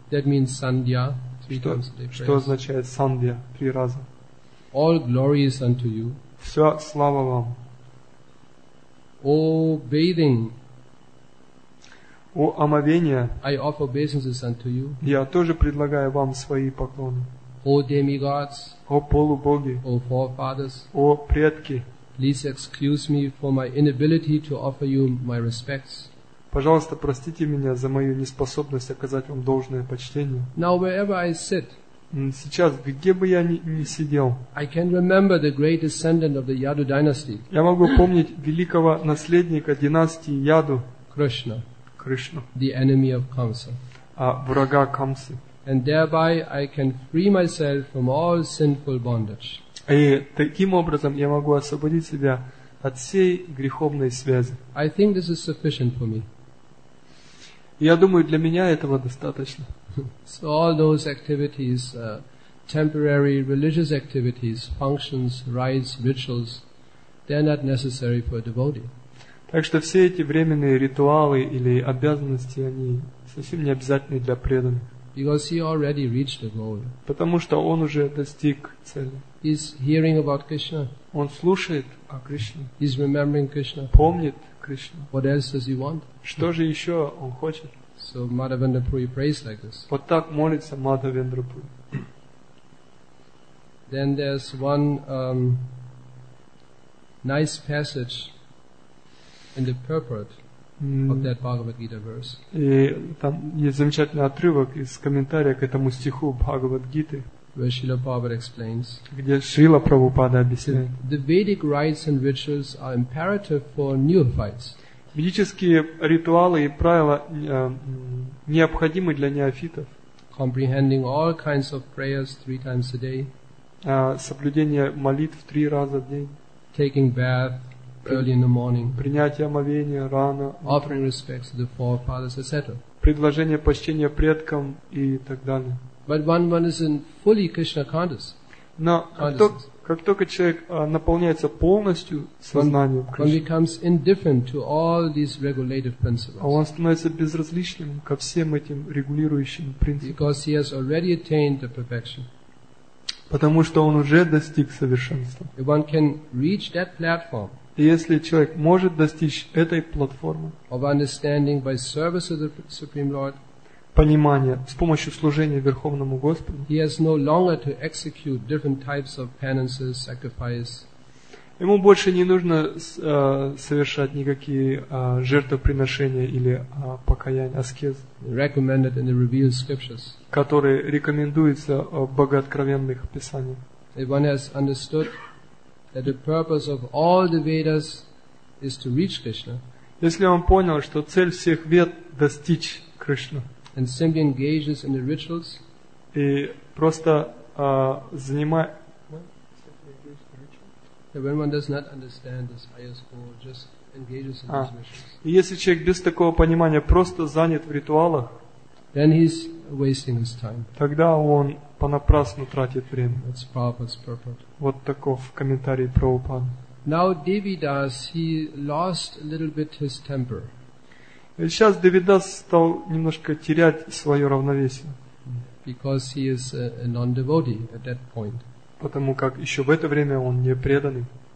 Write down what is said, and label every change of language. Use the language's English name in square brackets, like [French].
[English] That means сандья, three times a day prayers. [Russian] Что означает сандья, три раза? [English] All glory is unto you. [Russian] Вся слава вам. [English] О, bathing. [Russian] О, омовение. [English] I offer obeisances unto you. [Russian] Я тоже предлагаю вам свои поклоны. [English] О, demigods. [Russian] О, полубоги. [English] О, forefathers. [Russian] О, предки. [English] Please excuse me for my inability to offer you my respects. [Russian] Пожалуйста, простите меня за мою неспособность оказать вам должное почтение. [English] Now wherever I sit. [Russian] Сейчас, где бы я ни сидел, [English] I can remember the great descendant of the Yadu dynasty. [Russian] Я могу помнить великого наследника династии Яду, [English] Кришна, [Russian] Кришну, [English] the enemy of Kamsa, [Russian] врага Камсы. [English] and thereby I can free myself from all sinful bondage. [Russian] И таким образом я могу освободить себя от всей греховной связи. [English] I think this is sufficient for me. [Russian] Я думаю, для меня этого достаточно. [English] So all those activities, temporary religious activities, functions, rites, rituals, they're not necessary for a devotee. [Russian] Так что все эти временные ритуалы или обязанности, они совсем не обязательны для преданных. [English] Because he already reached the goal. [Russian] Потому что он уже достиг цели. [English] He's hearing about Krishna. [Russian] Он слушает о Кришне. [English] He's remembering Krishna. [Russian] Помнит Кришну. [English] What else does he want? [Russian] Что же еще он хочет? [English] So Madhavendra Puri prays like this. [Russian] Вот так молится Мадхавендра Пури. [English] Then there's one nice passage in the purport of that Bhagavad Gita verse. [Russian] И там есть замечательный отрывок из комментария к этому стиху Бхагавад Гиты, [English] where Srila Prabhupada explains. [Russian] Где Шрила Прабхупада объясняет. [English] The Vedic rites and rituals are imperative for neophytes. [Russian] Ведические ритуалы и правила необходимы для неофитов. [English] Comprehending all kinds of prayers three times a day. [Russian] Соблюдение молитв три раза в день. [English] Taking bath early in the morning. [Russian] Принятие омовения рано. [English] Offering respects to the forefathers, etc. [Russian] Предложение почтения предкам и так далее. [English] But one is in fully Krishna conscious. [Russian] Но как только человек наполняется полностью сознанием Кришны, [English] one becomes indifferent to all these regulative principles. [Russian] А он становится безразличным ко всем этим регулирующим принципам. [English] Because he has already attained the perfection. [Russian] Потому что он уже достиг совершенства. [English] If one can reach that platform. [Russian] И если человек может достичь этой платформы, [English] of understanding by service of the Supreme Lord. [Russian] Понимание с помощью служения Верховному Господу. [English] He has no longer to execute different types of penances, sacrifice. [Russian] Ему больше не нужно совершать никакие жертвоприношения или покаяния, аскез. [English] Recommended in the revealed scriptures. [Russian] Которые рекомендуются в богооткровенных писаниях. [English] If one has understood that the purpose of all the Vedas is to reach Krishna. [Russian] Если он понял, что цель всех Вед достичь Кришны. [English] And simply engages in the rituals. [Russian] И просто занимает. [English] When one does not understand this highest goal, just engages in these rituals. [Russian] И если человек без такого понимания просто занят в ритуалах, [English] then he's wasting his time. [Russian] Тогда он понапрасну тратит время. [English] That's Prabhupada's purport. [Russian] Вот таков комментарий Прабхупады. [English] Now Devidas, he lost a little bit his temper. [Russian] И сейчас Девидас стал немножко терять свое равновесие. [English] Because he is a non-devotee at that point. [Russian] Потому как еще в это время он не преданный.